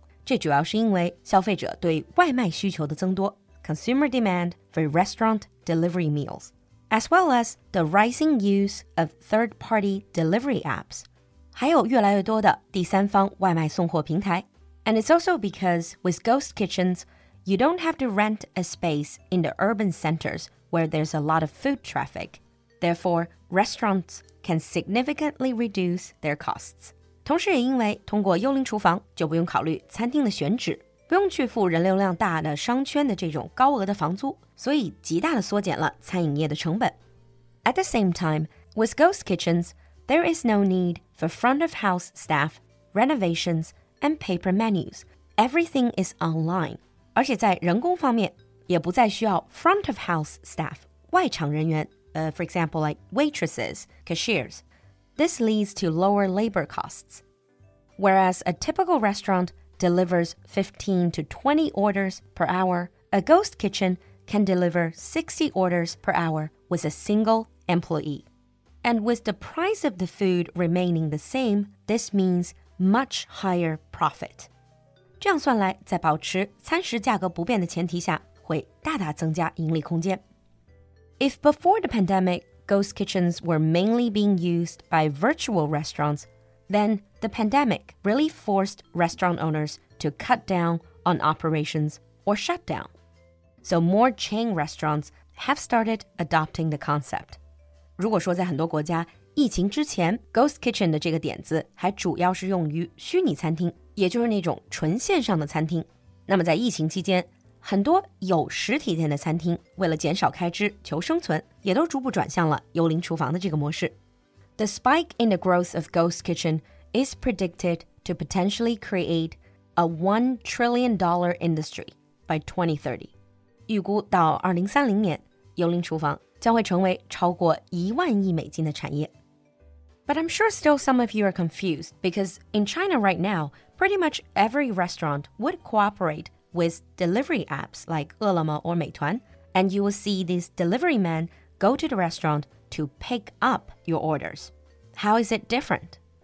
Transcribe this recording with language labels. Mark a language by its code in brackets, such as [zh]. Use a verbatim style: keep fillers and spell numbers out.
[zh] 这主要是因为消费者对外卖需求的增多 [en] consumer demand for restaurant delivery meals, as well as the rising use of third-party delivery apps. [zh] 还有越来越多的第三方外卖送货平台。 [en] And it's also because with ghost kitchens, you don't have to rent a space in the urban centers where there's a lot of food traffic. Therefore, restaurants can significantly reduce their costs. [zh] 同时也因为通过幽灵厨房就不用考虑餐厅的选址，不用去付人流量大的商圈的这种高额的房租，所以极大地缩减了餐饮业的成本。 [en] At the same time, with ghost kitchens, there is no need for front-of-house staff, renovations, and paper menus. Everything is online. [zh] 而且在人工方面，也不再需要 [en] front-of-house staff, [zh] 外场人员， uh, [en] for example, like waitresses, cashiers. This leads to lower labor costs. Whereas a typical restaurant delivers fifteen to twenty orders per hour, a ghost kitchen can deliver sixty orders per hour with a single employee. And with the price of the food remaining the same, this means much higher profit. [zh] 这样算来，在保持餐食价格不变的前提下，会大大增加盈利空间。 [en] If before the pandemic, ghost kitchens were mainly being used by virtual restaurants,Then, the pandemic really forced restaurant owners to cut down on operations or shut down. So more chain restaurants have started adopting the concept. [zh] 如果说在很多国家，疫情之前 ghost kitchen 的这个点子还主要是用于虚拟餐厅，也就是那种纯线上的餐厅。那么在疫情期间，很多有实体店的餐厅为了减少开支求生存，也都逐步转向了幽灵厨房的这个模式。 [en] The spike in the growth of ghost kitchen is predicted to potentially create a one trillion dollars industry by twenty thirty. [zh] 预估到二零三零年，幽灵厨房将会成为超过一万亿美金的产业。 [en] But I'm sure still some of you are confused because in China right now, pretty much every restaurant would cooperate with delivery apps like 饿了么 or 美团, and you will see these delivery men go to the restaurant to pick up your orders. How is it different?